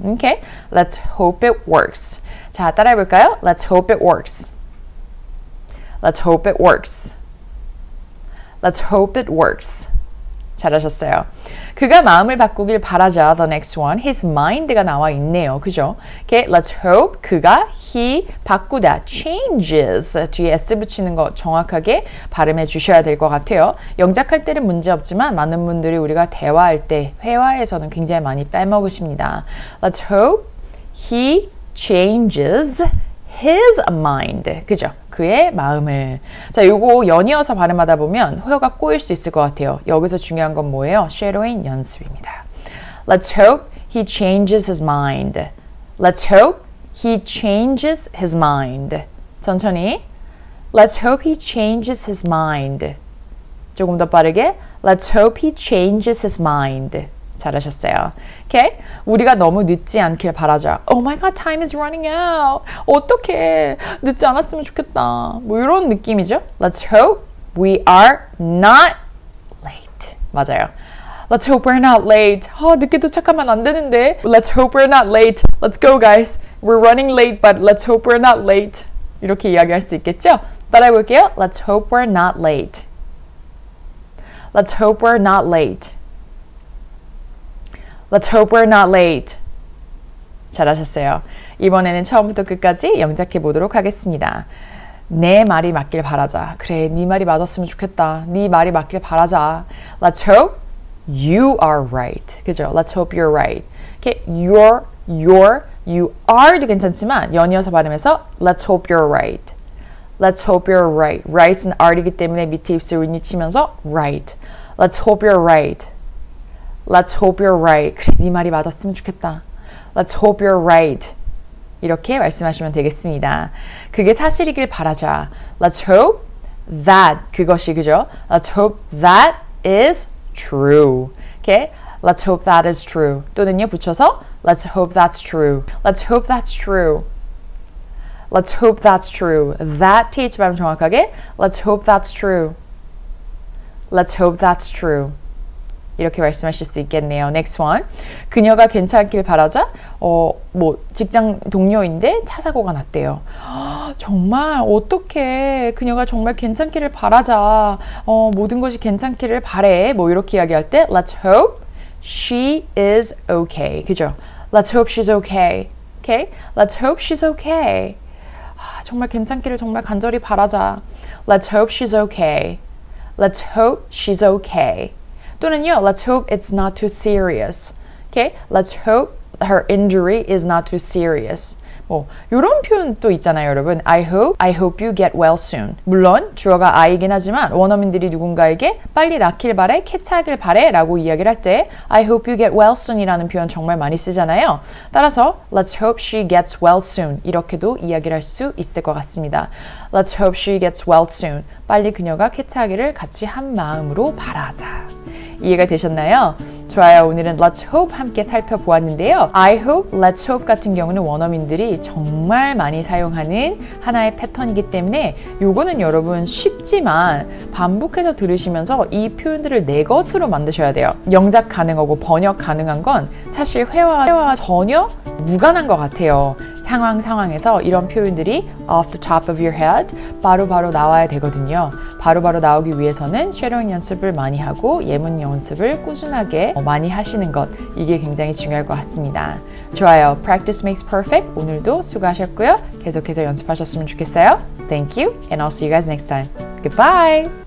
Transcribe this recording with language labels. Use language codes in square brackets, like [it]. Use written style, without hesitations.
[en] Okay? Let's hope it works. [ko] 자, 따라해볼까요? [en] Let's hope it works. Let's hope it works. Let's hope it works. [ko] 잘하셨어요. 그가 마음을 바꾸길 바라자. [en] The next one. [ko] His mind가 나와 있네요. 그죠? [en] Okay, let's hope [ko] 그가 [en] he [ko] 바꾸다. [en] Changes. [ko] 뒤에 S 붙이는 거 정확하게 발음해 주셔야 될 것 같아요. 영작할 때는 문제없지만 많은 분들이 우리가 대화할 때 회화에서는 굉장히 많이 빼먹으십니다. [en] Let's hope he changes his mind. [ko] 그죠? 그의 마음을. 자, 요거 연이어서 발음하다 보면 호어가 꼬일 수 있을 것 같아요. 여기서 중요한 건 뭐예요? 쉐도잉 연습입니다. [en] Let's hope he changes his mind. Let's hope he changes his mind. [ko] 천천히. [en] Let's hope he changes his mind. [ko] 조금 더 빠르게. [en] Let's hope he changes his mind. [ko] 잘하셨어요. Okay? 우리가 너무 늦지 않길 바라자. [en] Oh my god, time is running out. [ko] 어떡해. 늦지 않았으면 좋겠다. 뭐 이런 느낌이죠? [en] Let's hope we are not late. [ko] 맞아요. [en] Let's hope we're not late. [ko] 늦게 도착하면 안 되는데. [en] Let's hope we're not late. Let's go, guys. We're running late, but let's hope we're not late. [ko] 이렇게 이야기할 수 있겠죠? 따라해볼게요. [en] Let's hope we're not late. Let's hope we're not late. Let's hope we're not late. [ko] 잘하셨어요. 이번에는 처음부터 끝까지 영작해 보도록 하겠습니다. 내 말이 맞길 바라자. 그래, 네 말이 맞았으면 좋겠다. 네 말이 맞길 바라자. [en] Let's hope you are right. [ko] 그죠? [en] Let's hope you're right. Okay, you are도 [ko] 괜찮지만 연이어서 발음해서 [en] Let's hope you're right. Let's hope you're right. [ko] Right은 are이기 때문에 밑에 입술을 니치면서 right. [en] Let's hope you're right. Let's hope you're right. [ko] 그래, 네 말이 맞았으면 좋겠다. [en] Let's hope you're right. [ko] 이렇게 말씀하시면 되겠습니다. 그게 사실이길 바라자. [en] Let's hope that [ko] 그것이 그죠? [en] Let's hope that is true. Okay? Let's hope that is true. [ko] 또는요 붙여서 [en] Let's hope that's true. Let's hope that's true. Let's hope that's true. That th [ko] 발음 정확하게 [en] Let's hope that's true. Let's hope that's true. [ko] 이렇게 말씀하실 수 있겠네요. [en] Next one. [ko] 그녀가 괜찮길 바라자 뭐 직장 동료인데 차 사고가 났대요. 정말 어떻게 그녀가 정말 괜찮기를 바라자 모든 것이 괜찮기를 바래 뭐 이렇게 이야기할 때 [en] Let's hope she is okay. [ko] 그죠? [en] Let's hope she's okay. Okay? Let's hope she's okay. [ko] 정말 괜찮기를 정말 간절히 바라자. [en] Let's hope she's okay. Let's hope she's okay. [ko] 또는요, [en] let's hope it's not too serious. Okay? Let's hope her injury is not too serious. [ko] 뭐, 요런 표현도 있잖아요, 여러분. [en] I hope you get well soon. [ko] 물론, 주어가 I이긴 하지만, 원어민들이 누군가에게 빨리 낫길 바래, 쾌차하길 바래, 라고 이야기를 할 때, [en] I hope you get well soon [ko] 이라는 표현 정말 많이 쓰잖아요. [en] 따라서, let's hope she gets well soon. [ko] 이렇게도 이야기를 할 수 있을 것 같습니다. [en] Let's hope she gets well soon. [ko] 빨리 그녀가 쾌차하기를 같이 한 마음으로 바라자. 이해가 되셨나요? 좋아요. 오늘은 Let's Hope 함께 살펴보았는데요. I hope, Let's Hope 같은 경우는 원어민들이 정말 많이 사용하는 하나의 패턴이기 때문에 요거는 여러분 쉽지만 반복해서 들으시면서 이 표현들을 내 것으로 만드셔야 돼요. 영작 가능하고 번역 가능한 건 사실 회화와 전혀 무관한 것 같아요. 상황에서 이런 표현들이 [en] off the top of your head [ko] 바로 나와야 되거든요. 바로 나오기 위해서는 쉐도잉 연습을 많이 하고 예문 연습을 꾸준하게 많이 하시는 것 이게 굉장히 중요할 것 같습니다. 좋아요. [en] Practice makes perfect. [ko] 오늘도 수고하셨고요. 계속해서 연습하셨으면 좋겠어요. [en] Thank you and I'll see you guys next time. Goodbye!